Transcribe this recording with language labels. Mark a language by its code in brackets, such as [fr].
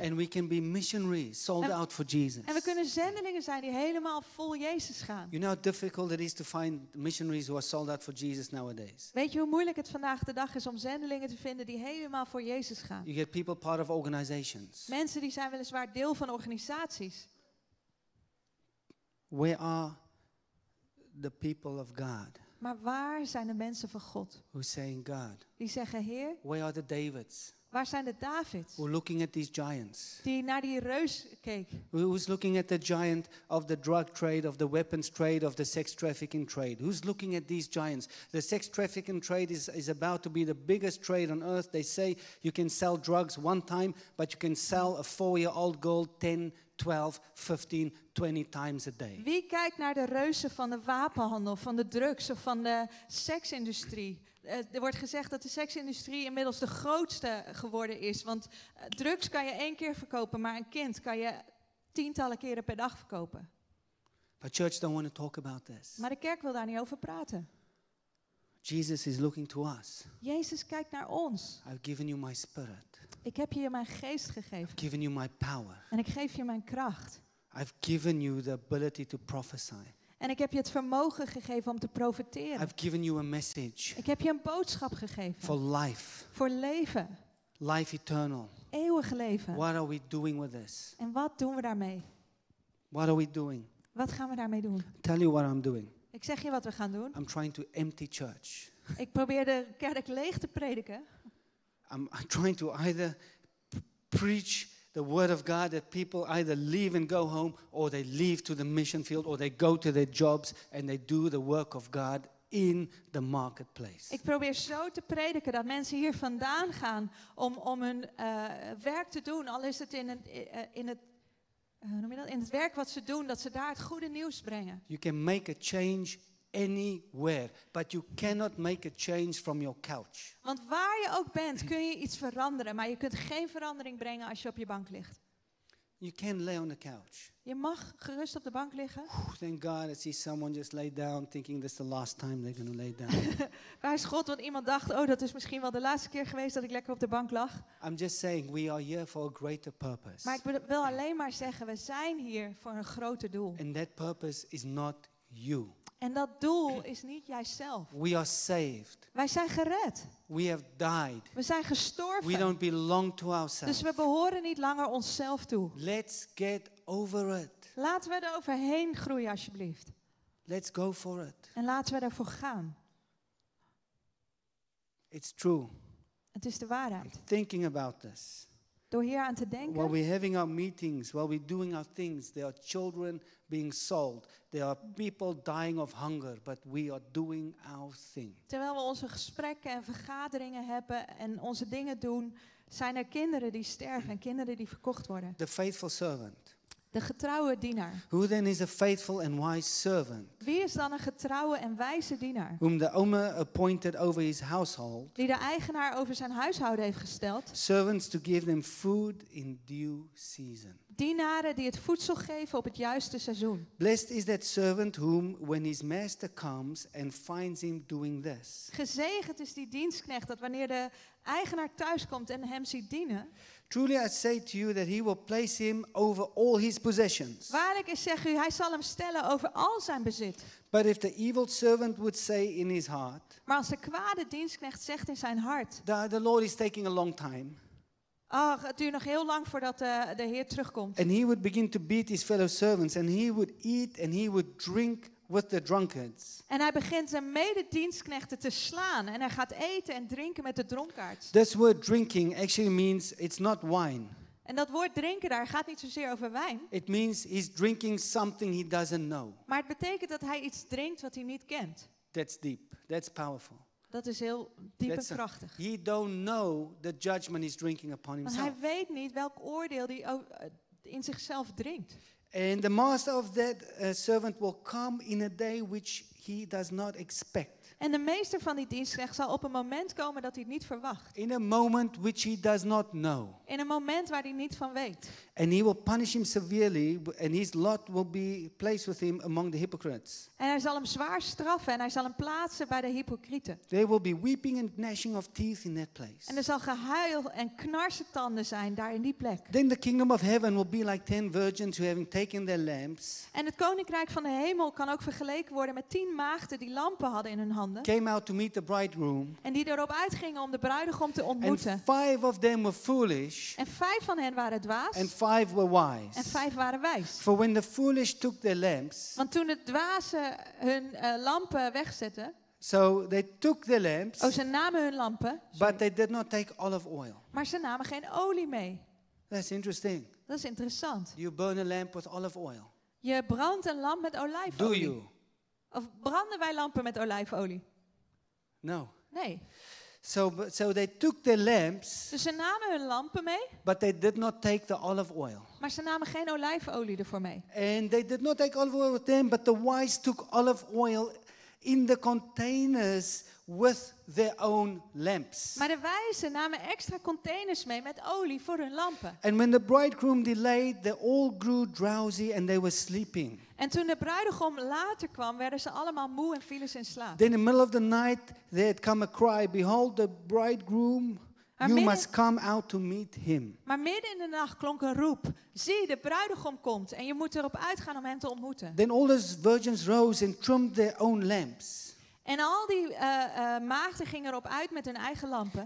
[en] And we can be missionaries sold out for Jesus. [nl] En we kunnen zendelingen zijn die helemaal vol Jezus gaan. [en] You know how difficult it is to find missionaries who are sold out for Jesus nowadays. [nl] Weet je hoe moeilijk het vandaag de dag is om zendelingen te vinden die helemaal voor Jezus gaan? [en] You get people part of organizations. [nl] Mensen die zijn weliswaar deel van organisaties. [en] Where are the people of God? [nl] Maar waar zijn de mensen van God? [en] Who saying God? [nl] Die zeggen Heer. [en] Where are the Davids? [nl] Waar zijn de Davids? [en] Who looking at these giants? [nl] Die naar die reus keek. [en] Who's looking at the giant of the drug trade, of the weapons trade, of the sex trafficking trade? Who's looking at these giants? The sex trafficking trade is about to be the biggest trade on earth. They say you can sell drugs one time, but you can sell a 4-year-old girl 10, 12, 15, 20 times a day. [nl] Wie kijkt naar de reuzen van de wapenhandel, van de drugs of van de seksindustrie? Er wordt gezegd dat de seksindustrie inmiddels de grootste geworden is. Want drugs kan je 1 keer verkopen, maar een kind kan je 10 keren per dag verkopen. [en] But church don't want to talk about this. [nl] Maar de kerk wil daar niet over praten. [en] Jesus is looking to us. [nl] Jezus kijkt naar ons. [en] I've given you my spirit. [nl] Ik heb je mijn geest gegeven. [en] I've given you my power. [nl] En ik geef je mijn kracht. [en] I've given you the ability to prophesy. [nl] En ik heb je het vermogen gegeven om te profeteren. [en] I've given you a message. [nl] Ik heb je een boodschap gegeven. [en] For life. [nl] Voor leven. [en] Life eternal. [nl] Eeuwig leven. [en] What are we doing with this? [nl] En wat doen we daarmee? [en] What are we doing? [nl] Wat gaan we daarmee doen? [en] Tell you what I'm doing. [nl] Ik zeg je wat we gaan doen. [en] I'm trying to empty church. [nl] Ik probeer de kerk leeg te prediken. [en] I'm trying to either preach the word of God that people either leave and go home, or they leave to the mission field, or they go to their jobs and they do the work of God in the marketplace. [nl] Ik probeer zo te prediken dat mensen hier vandaan gaan om hun werk te doen, al is het in het werk wat ze doen, dat ze daar het goede nieuws brengen. [en] You can make a change anywhere, but you cannot make a change from your couch. [nl] Want waar je ook bent, kun je iets veranderen, maar je kunt geen verandering brengen als je op je bank ligt. [en] You can lay on the couch. [nl] Je mag gerust op de bank liggen. [en] Thank God, I see someone just lay down, thinking this is the last time they're going to lay down. [nl] Waar is God, want iemand dacht, oh, dat is misschien wel de laatste keer geweest dat ik lekker op de bank lag. [en] I'm just saying, we are here for a greater purpose. [nl] Maar ik wil alleen maar zeggen, we zijn hier voor een groter doel. [en] And that purpose is not you. [nl] En dat doel is niet jijzelf. [en] We are saved. [nl] Wij zijn gered. [en] We have died. [nl] We zijn gestorven. [en] We don't belong to ourselves. [nl] Dus we behoren niet langer onszelf toe. [en] Let's get over it. [nl] Laten we er overheen groeien alsjeblieft. [en] Let's go for it. [nl] En laten we ervoor gaan. [en] It's true. [nl] Het is de waarheid. [en] Thinking about this. [nl] Door hier aan te denken. [en] While we're having our meetings, while we're doing our things, there are children being sold. There are people dying of hunger, but we are doing our thing. [nl] Terwijl we onze gesprekken en vergaderingen hebben en onze dingen doen, zijn er kinderen die sterven en kinderen die verkocht worden. [en] The faithful servant. [nl] De getrouwe dienaar. [en] Who then is a faithful and wise servant? [nl] Wie is dan een getrouwe en wijze dienaar? [en] Whom the owner appointed over his household. [nl] Die de eigenaar over zijn huishouden heeft gesteld. [en] Servants to give them food in due season. [nl] Dienaren die het voedsel geven op het juiste seizoen. [en] Blessed is that servant whom when his master comes and finds him doing this. [nl] Gezegend is die dienstknecht dat wanneer de eigenaar thuis komt en hem ziet dienen. [en] Truly I say to you that he will place him over all his possessions. [nl] Waarlijk ik zeg u, hij zal hem stellen over al zijn bezit. [en] But if the evil servant would say in his heart. [nl] Maar als de kwade dienstknecht zegt in zijn hart. [en] The Lord is taking a long time. [nl] Ach, het duurt nog heel lang voordat de Heer terugkomt. [en] And he would begin to beat his fellow servants and he would eat and he would drink with the drunkards. [nl] En hij begint zijn mededienstknechten te slaan en hij gaat eten en drinken met de dronkaards. [en] This word drinking actually means it's not wine. [nl] En dat woord drinken daar gaat niet zozeer over wijn. [en] It means he's drinking something he doesn't know. [nl] Maar het betekent dat hij iets drinkt wat hij niet kent. [en] That's deep. That's powerful. [nl] Dat is heel diep en krachtig. [en] He don't know the judgment he's drinking upon himself. [nl] Want hij weet niet welk oordeel hij in zichzelf drinkt. [en] And the master of that servant will come in a day which he does not expect. [nl] En de meester van die dienstknecht zal op een moment komen dat hij het niet verwacht. [en] In a moment which he does not know. [nl] In een moment waar hij niet van weet. [en] And he will punish him severely and his lot will be placed with him among the hypocrites. [nl] En hij zal hem zwaar straffen en hij zal hem plaatsen bij de hypocrieten. [en] There will be weeping and gnashing of teeth in that place. [nl] En er zal gehuil en knarsetanden zijn daar in die plek. [en] Then the kingdom of heaven will be like 10 virgins who having taken their lamps. [nl] En het koninkrijk van de hemel kan ook vergeleken worden met 10 maagden die lampen hadden in hun handen. [en] Came out to meet the bridegroom. [nl] En die erop uitgingen om de bruidegom te ontmoeten. [en] And 5 of them were foolish. [nl] En 5 van hen waren dwaas. [en] And 5 were wise. [nl] En 5 waren wijs. [en] For when the foolish took their lamps. [nl] Want toen de dwazen hun lampen wegzetten. [en] So they took their lamps. [nl] Oh, ze namen hun lampen. Sorry. [en] But they did not take olive oil. [nl] Maar ze namen geen olie mee. [en] That's interesting. [nl] Dat is interessant. [en] You burn a lamp with olive oil. [nl] Je brandt een lamp met olijfolie. [en] Do you? [nl] Of branden wij lampen met olijfolie? [en] No. [nl] Nee. [en] So they took their lamps. [nl] Dus ze namen hun lampen mee. [en] But they did not take the olive oil. [nl] Maar ze namen geen olijfolie ervoor mee. [en] And they did not take olive oil with them, but the wise took olive oil in the containers with their own lamps. [nl] Maar de wijzen namen extra containers mee met olie voor hun lampen. [en] And when the bridegroom delayed, they all grew drowsy and they were sleeping. [nl] En toen de bruidegom later kwam, werden ze allemaal moe en vielen ze in slaap. [en] Then in the middle of the night, there had come a cry, behold the bridegroom, you must come out to meet him. [nl] Maar midden in de nacht klonk een roep, zie de bruidegom komt en je moet erop uitgaan om hem te ontmoeten. [en] Then all the virgins rose and trimmed their own lamps. [nl] En al die maagden gingen erop uit met hun eigen lampen.